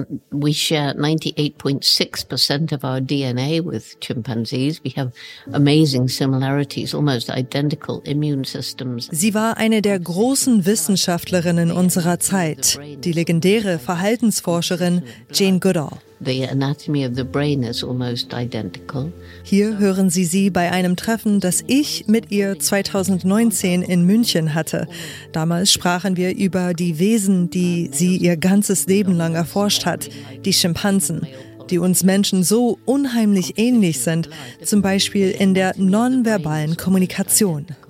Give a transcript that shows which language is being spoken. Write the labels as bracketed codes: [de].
[en] We share 98.6% of our DNA with chimpanzees. We have amazing similarities, almost identical immune systems. [de] Sie war eine der großen Wissenschaftlerinnen unserer Zeit, die legendäre Verhaltensforscherin Jane Goodall. [en] The anatomy of the brain is almost identical. [de] Hier hören Sie sie bei einem Treffen, das ich mit ihr 2019 in München hatte. Damals sprachen wir über die Wesen, die sie ihr ganzes Leben lang erforscht hat, die Schimpansen, die uns Menschen so unheimlich ähnlich sind, zum Beispiel in der nonverbalen Kommunikation.